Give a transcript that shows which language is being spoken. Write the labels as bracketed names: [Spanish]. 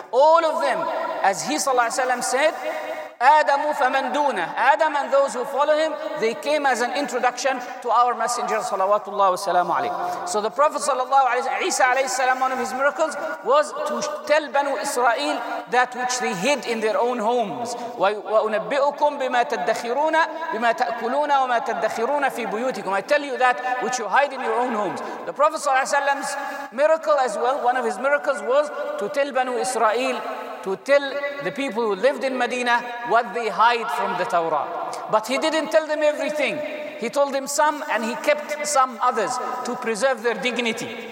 [English] All of them, as he sallallahu alayhi wasallam said, [Arabic] آدم فمن دونه. [English] Adam and those who follow him, they came as an introduction to our messenger [Arabic] صلوات الله وسلامه عليه. [English] So the Prophet [Arabic] صلى الله عليه وسلم, عيسى عليه السلام, [English] one of his miracles was to tell Banu Israel that which they hid in their own homes. [Arabic] وأنبئكم بما تدخرون بما تأكلون وما تدخرون في بيوتكم. [English] I tell you that which you hide in your own homes. The Prophet [Arabic] صلى الله عليه وسلم's [English] miracle as well, one of his miracles was to tell Banu Israel, to tell the people who lived in Medina what they hide from the Torah. But he didn't tell them everything. He told them some and he kept some others to preserve their dignity.